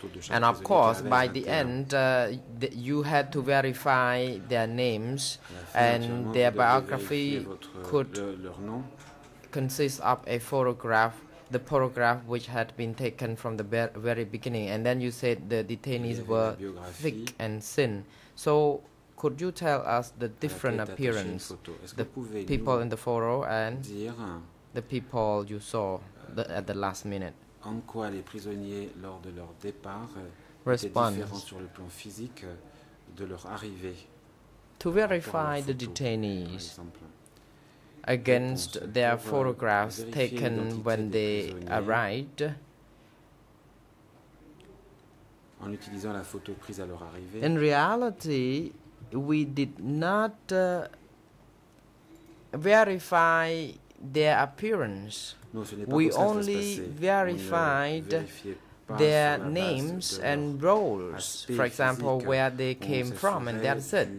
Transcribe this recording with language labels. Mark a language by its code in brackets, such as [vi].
[en] And of course, by the end, you had to verify their names, and their biography could consist of a photograph, the photograph which had been taken from the very beginning. And then you said the detainees were thick and thin. So could you tell us the different appearance, the people in the photo and the people you saw at the last minute? [fr] En quoi les prisonniers, lors de leur départ, étaient différents sur le plan physique de leur arrivée? [en] To verify the detainees against their photographs taken when they arrived, [fr] en utilisant la photo prise à leur arrivée, [en] in reality, we did not verify their appearance. We only verified their names and roles, for example, where they came from, and that's it.